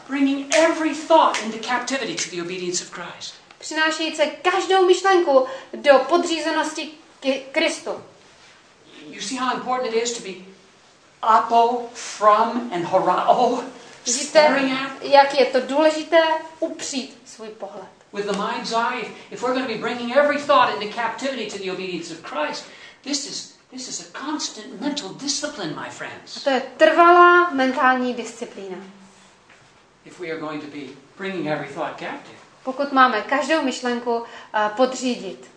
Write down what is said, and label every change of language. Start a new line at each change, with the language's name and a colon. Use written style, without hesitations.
English: Bringing every thought into captivity to the obedience of Christ.
Czech: Přinášejte každou myšlenku do podřízenosti Kristu.
English: You see how important it is to be apo, from and horao.
Czech: Vidíte, jak je to důležité upřít svůj pohled.
English: With the mind's eye, if we're going to be bringing every thought into captivity to the obedience of Christ, this is a constant mental discipline, my friends.
Czech: To je trvalá mentální disciplína.
English: If we are going to be bringing every thought captive.
Czech: Pokud máme každou myšlenku podřídit.